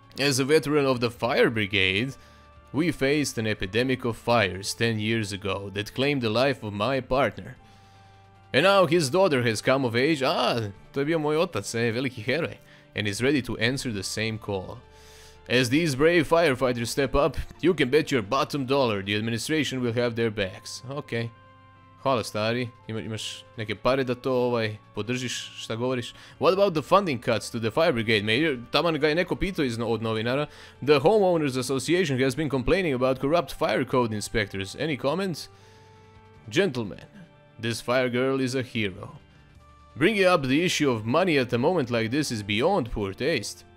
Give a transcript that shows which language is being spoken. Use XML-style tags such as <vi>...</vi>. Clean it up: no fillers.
<en>As a veteran of the fire brigade, we faced an epidemic of fires 10 years ago that claimed the life of my partner. And now his daughter has come of age,</en> <sr>to je bio moj otac, veliki heroj,</sr> <en>and is ready to answer the same call. As these brave firefighters step up, you can bet your bottom dollar the administration will have their backs. Okay.</en> <sr>Hvala stari, imaš neke pare da to podržiš, šta govoriš?</sr> <en>What about the funding cuts to the fire brigade, mayor?</en> <sr>Taman ga je neko pitao od novinara.</sr> <en>The homeowners association has been complaining about corrupt fire code inspectors. Any comments? Gentlemen. This fire girl is a hero. Bringing up the issue of money at a moment like this is beyond poor taste.</en>